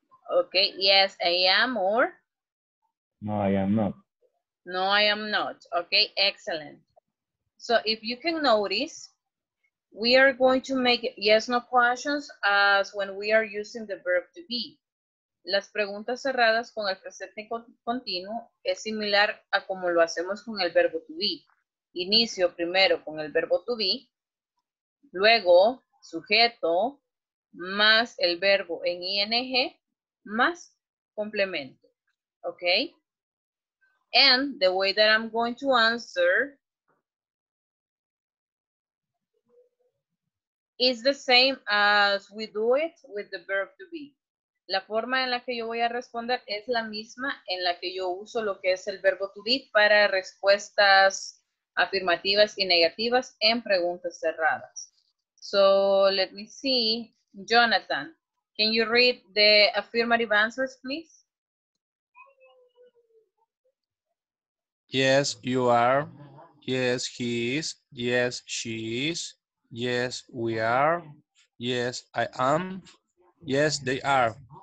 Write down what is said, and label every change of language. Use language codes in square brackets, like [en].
[en] Okay. Yes, I am. Or? No, I am not. No, I am not. Okay. Excellent. So if you can notice, we are going to make yes, no questions as when we are using the verb to be. [es] Las preguntas cerradas con el presente continuo es similar a como lo hacemos con el verbo to be. Inicio primero con el verbo to be, luego sujeto, más el verbo en ing, más complemento. [en] Okay? And the way that I'm going to answer is the same as we do it with the verb to be. [es] La forma en la que yo voy a responder es la misma en la que yo uso lo que es el verbo to be para respuestas afirmativas y negativas en preguntas cerradas. [en] So, let me see. Jonathan, can you read the affirmative answers, please? Yes, you are. Yes, he is. Yes, she is. Yes, we are. Yes, I am. Yes, they are.